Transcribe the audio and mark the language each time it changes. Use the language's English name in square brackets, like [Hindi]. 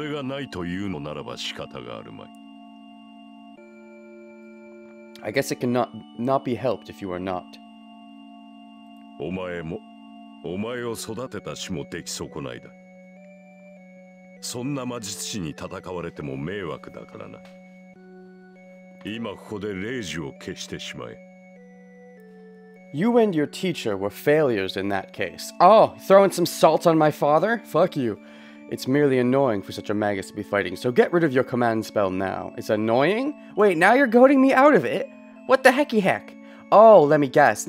[Japanese] それがないというのならば仕方があるまい。 [English] I guess it cannot not be helped if you are not. [Japanese] お前も、お前を育てた師も出来損ないだ。そんな魔術師に戦われても迷惑だからな。 [English] You and your teacher were failures in that case. Oh, throwing some salt on my father? Fuck you. It's merely annoying for such a magus to be fighting, so get rid of your command spell now. It's annoying? Wait, now you're goading me out of it? What the hecky heck? Oh, let me guess.